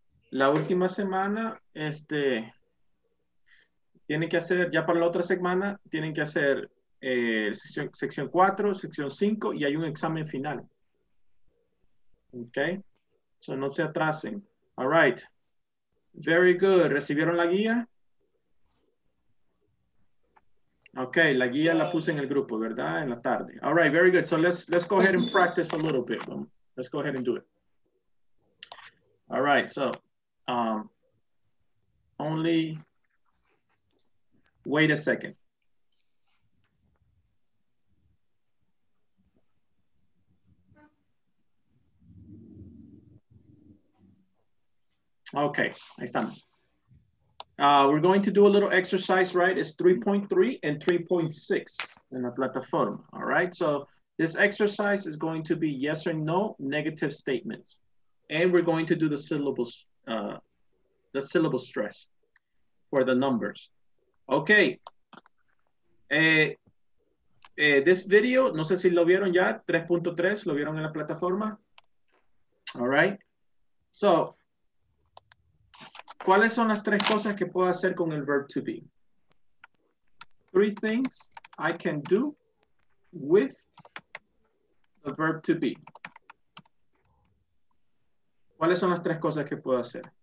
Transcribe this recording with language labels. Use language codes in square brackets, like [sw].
[es] La última semana, tienen que hacer, ya para la otra semana, tienen que hacer sección 4, sección 5, y hay un examen final. Okay? So no se atrasen. [en] All right. Very good. [es] ¿Recibieron la guía? Okay, la guía la puse en el grupo, ¿verdad? En la tarde. [en] All right, very good. So let's go ahead and practice a little bit. Let's go ahead and do it. All right, so only... Wait a second. Okay, [es] ahí estamos. [en] We're going to do a little exercise, right? It's 3.3 and 3.6 in the platform. All right, so this exercise is going to be yes or no negative statements. And we're going to do the syllable stress for the numbers. [es] Okay, [en] this video, [es] no sé si lo vieron ya, 3.3, lo vieron en la plataforma. [en] All right, [es] so, ¿cuáles son las tres cosas que puedo hacer con el verb to be? [en] Three things I can do with the verb to be. [es] ¿Cuáles son las tres cosas que puedo hacer?